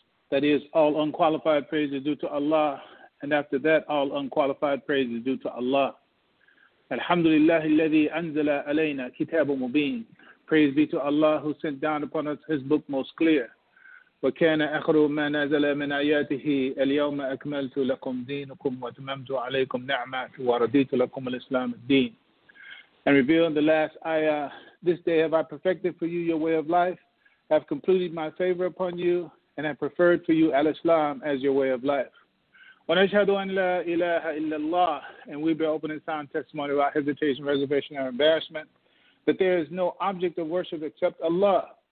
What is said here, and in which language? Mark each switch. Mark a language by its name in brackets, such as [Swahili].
[English] That is, all unqualified praise is due to Allah, and after that, all unqualified praise is due to Allah. [Arabic] Alhamdulillah, الذي أنزل علينا كتاب مبين. [English] Praise be to Allah who sent down upon us His book most clear. [Arabic] وكان آخر ما نزل من آياته اليوم أكملت لكم دينكم وتممت عليكم نعمتي ورديت لكم الإسلام الدين. [English] And revealing the last ayah, this day have I perfected for you your way of life, have completed my favor upon you, and have preferred for you al-Islam as your way of life. [Arabic] Wa nashhadu an la ilaha illallah, [English] and we bear open and sound testimony without hesitation, reservation, or embarrassment, that there is no object of worship except Allah.